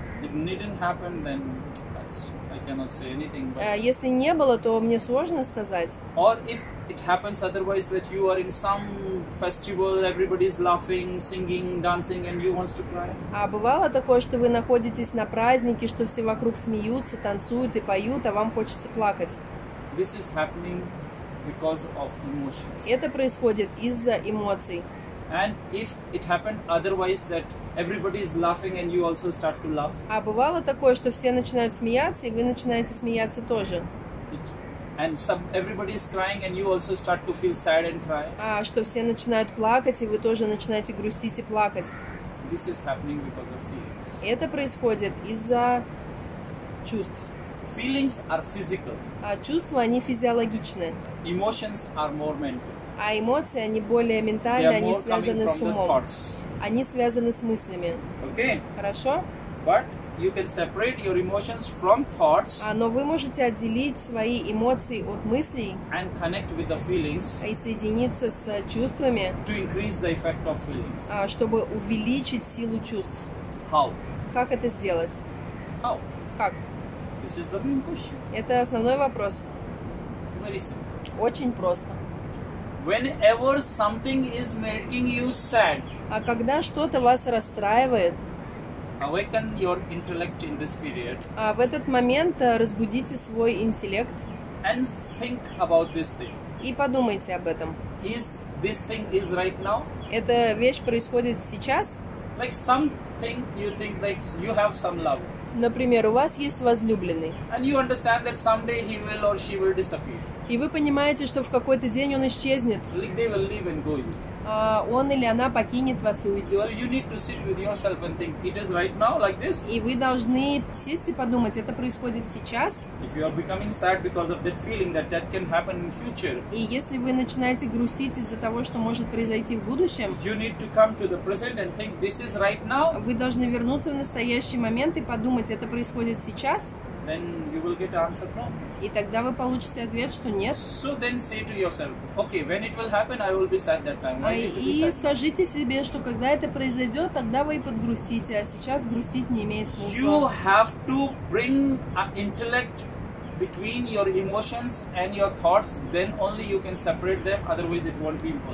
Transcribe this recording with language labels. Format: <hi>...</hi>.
<en>If it didn't happen, then I cannot say anything.</en> <ru>Если не было, то мне сложно сказать.</ru> <en>Or if it happens otherwise, that you are in some festival, everybody is laughing, singing, dancing, and you want to cry?</en> <ru>Бывало такое, что вы находитесь на празднике, что все вокруг смеются, танцуют и поют, а вам хочется плакать?</ru> <en>This is happening because of emotions.</en> <ru>Это происходит из-за эмоций.</ru> <en>And if it happened otherwise, that everybody is laughing and you also start to laugh.</en> <ru>Бывало такое, что все начинают смеяться, и вы начинаете смеяться тоже.</ru> <en>It, And some everybody is crying, and you also start to feel sad and cry.</en> <ru>Что все начинают плакать, и вы тоже начинаете грустить и плакать.</ru> <en>This is happening because of feelings.</en> <ru>Это происходит из-за чувств.</ru> <en>Feelings are physical.</en> <ru>Чувства, они физиологичны.</ru> <en>Emotions are more mental.</en> <ru>Эмоции, они более ментальные, они связаны с умом. Они связаны с мыслями.</ru> <en>Okay.</en> <ru>Хорошо?</ru> <en>But you can separate your emotions from thoughts.</en> <ru>Но вы можете отделить свои эмоции от мыслей.</ru> <en>And connect with the feelings.</en> <ru>И соединиться с чувствами.</ru> <en>To increase the effect of feelings.</en> <ru>Чтобы увеличить силу чувств.</ru> <en>How?</en> <ru>Как это сделать?</ru> <en>How?</en> <ru>Как?</ru> <en>This is the main question.</en> <ru>Это основной вопрос.</ru> <en>Very simple.</en> <ru>Очень просто.</ru> <en>Whenever something is making you sad.</en> <ru>А когда что-то вас расстраивает,</ru> <en>awaken your intellect in this period.</en> <ru>В этот момент разбудите свой интеллект.</ru> <en>And think about this thing.</en> <ru>И подумайте об этом.</ru> <en>Is this thing is right now?</en> <ru>Эта вещь происходит сейчас?</ru> <en>Like something you think like you have some love.</en> <ru>Например, у вас есть возлюбленный.</ru> <en>And you understand that someday he will or she will disappear.</en> <ru>И вы понимаете, что в какой-то день он исчезнет.</ru> <en>Like they will leave and go.</en> <ru>Он или она покинет вас и уйдет.</ru> <en>So you need to sit with yourself and think, it is right now, like this?</en> <ru>И вы должны сесть и подумать, это происходит сейчас.</ru> <en>If you are becoming sad because of that feeling that that can happen in future.</en> <ru>И если вы начинаете грустить из-за того, что может произойти в будущем.</ru> <en>You need to come to the present and think, this is right now?</en> <ru>Вы должны вернуться в настоящий момент и подумать, это происходит сейчас.</ru> <en>Then you will get answer no.</en> <ru>И тогда вы получите ответ, что нет.</ru> <en>So then say to yourself, okay, when it will happen, I will be sad that time.</en> <ru>И скажите себе, что когда это произойдет, тогда вы и подгрустите, а сейчас грустить не имеет смысла.</ru> <en>You have to bring an intellect between your emotions and your thoughts, then only you can separate them, otherwise it won't be possible.</en>